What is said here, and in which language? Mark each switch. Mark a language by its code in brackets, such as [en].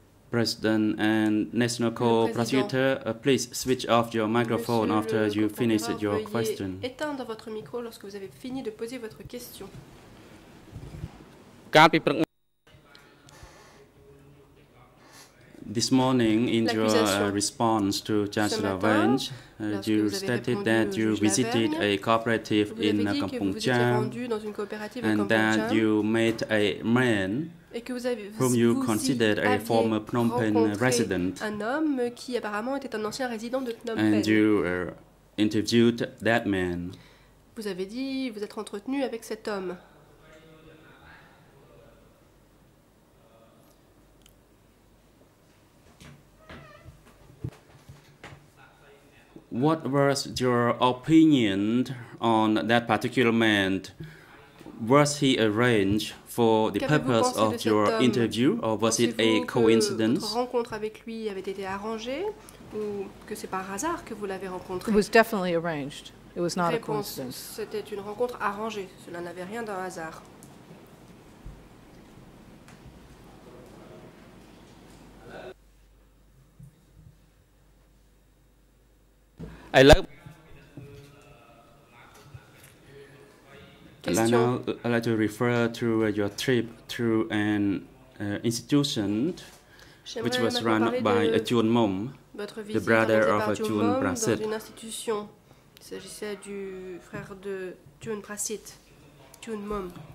[en] President and National Co-Prosecutor, please switch off your microphone [fr] Monsieur [en] after you finish your question. [fr] Éteindre votre micro lorsque vous avez fini de poser votre question. [en] This morning, in your response to Judge Lavange, you stated that you visited a cooperative in Kampong Cham and that you met a man whom you considered a former Phnom Penh resident. [fr] Un homme qui apparemment était un ancien résident de Phnom Penh. [en] And you interviewed that man. [fr] Vous avez dit vous êtes entretenu avec cet homme. [en] What was your opinion on that particular man? Was he arranged for the purpose of your interview, or was it a coincidence? [fr] Que votre rencontre avec lui avait été arrangée, ou que c'est par hasard que vous l'avez rencontré? [en] It was definitely arranged. It was not a coincidence. [fr] C'était une rencontre arrangée. Cela n'avait rien d'un hasard. [en] I'd like to refer to your trip to an institution which was run by a Chuan Mom, the brother of a Chuan Prasit. [fr] Dans une institution. Il s'agissait du frère de Chuan Prasit, Chuan Mom.